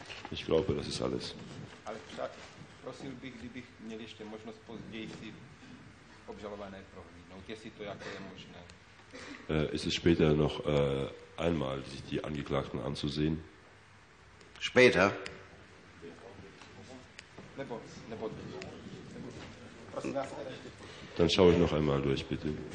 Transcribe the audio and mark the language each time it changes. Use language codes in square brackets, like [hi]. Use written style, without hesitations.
[de] Ich glaube, das ist alles. [cs] Prosil bych, kdybych měl ještě možnost později si obžalované prohlídnout, jestli to jako je možné. [de] Ist es später noch einmal sich die Angeklagten anzusehen? Später? [cs] Nebo prosím vás, [de] dann schaue ich noch einmal durch, bitte.